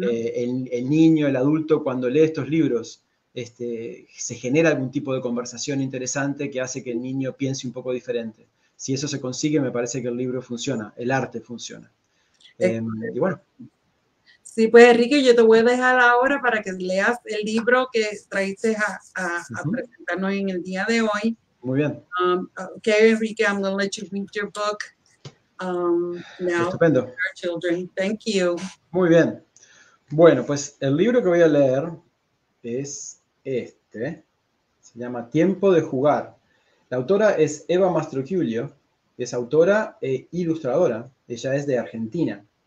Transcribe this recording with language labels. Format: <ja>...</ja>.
<es>El niño, el adulto, cuando lee estos libros, se genera algún tipo de conversación interesante que hace que el niño piense un poco diferente. Si eso se consigue, me parece que el libro funciona, el arte funciona. Y bueno. Sí, pues Enrique, yo te voy a dejar ahora para que leas el libro que traíste a presentarnos en el día de hoy. Muy bien.</es> <en>Okay, Enrique, I'm going to let you read your book now.</en> <es>Estupendo.</es> <en>Your children. Thank you.</en> <es>Muy bien. Bueno, pues el libro que voy a leer es este. Se llama Tiempo de Jugar. La autora es Eva Mastrocchiulio. Es autora e ilustradora. Ella es de Argentina.</es>